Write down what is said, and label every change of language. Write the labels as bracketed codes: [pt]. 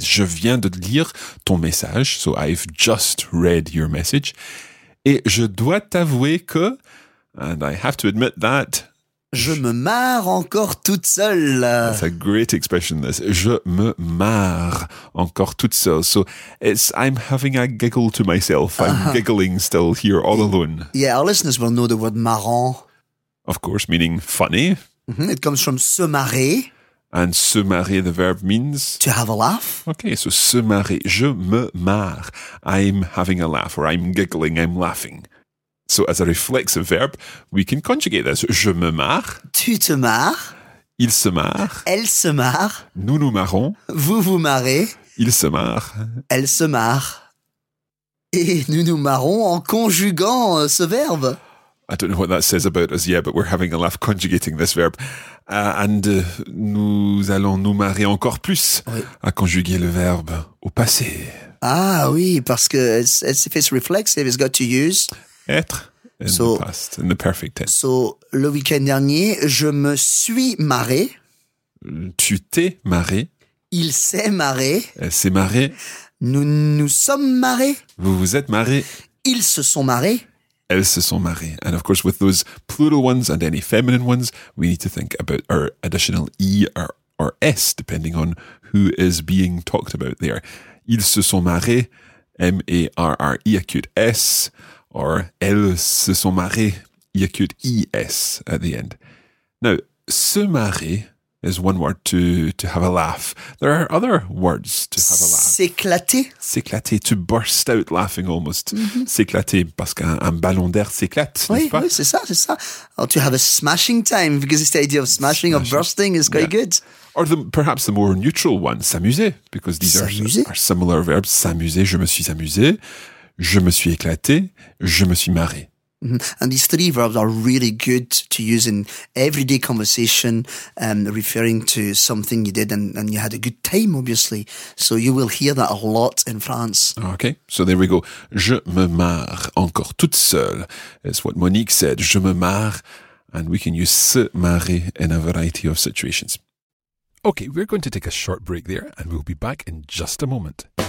[fr] Je viens de lire ton message. [en] So I've just read your message. [fr] Et je dois t'avouer que... [en] And I have to admit that... [fr] Je me marre encore toute seule. [en] That's a great expression, this. [fr] Je me marre encore toute seule. [en] So it's I'm having a giggle to myself. I'm giggling still here all alone. Yeah, our listeners will know the word marrant. Of course, meaning funny. Mm-hmm. It comes from se marrer. And se marrer, the verb means? To have a laugh. Okay, so [fr] se marrer. Je me marre. [en] I'm having a laugh, or I'm giggling, I'm laughing. So as a reflexive verb, we can conjugate this. [fr] Je me marre. Tu te marres. Il se marre. Elle se marre. Nous nous marrons. Vous vous marrez. Il se marre. Elle se marre. Et nous nous marrons en conjuguant ce verbe. [en] I don't know what that says about us, yeah, but we're having a laugh conjugating this verb. [fr] And nous allons nous marrer encore plus à conjuguer le verbe au passé. Ah oui, parce que [en] if it's reflexive, it's got to use... Être in so, the past, in the perfect tense. [fr] So, le week-end dernier, je me suis marré. Tu t'es marré. Il s'est marré. Elle s'est marrée. Nous nous sommes marrés. Vous vous êtes marrés. Ils se sont marrés. Elles se sont marrées. [en] And of course, with those plural ones and any feminine ones, we need to think about our additional E or S, depending on who is being talked about there. Ils se sont marrés, M-A-R-R-E, acute S, or elles se sont marrées, acute E-S at the end. Now, se marrer is one word to have a laugh. There are other words to have a laugh. [fr] S'éclater. [en] S'éclater, to burst out laughing almost. Mm-hmm. [fr] S'éclater, parce qu'un ballon d'air s'éclate, oui, n'est-ce pas? Oui, c'est ça, c'est ça. [en] Or to have a smashing time, because it's the idea of smashing or bursting is quite good. Or the, perhaps the more neutral one, s'amuser, because these are similar verbs. [fr] S'amuser, je me suis amusé, je me suis éclaté, je me suis marré. Mm-hmm. [en] And these three verbs are really good to use in everyday conversation, referring to something you did and you had a good time, obviously. So you will hear that a lot in France. Okay, so there we go. [fr] Je me marre encore toute seule. [en] It's what Monique said, [fr] je me marre. [en] And we can use se marrer in a variety of situations. Okay, we're going to take a short break there and we'll be back in just a moment.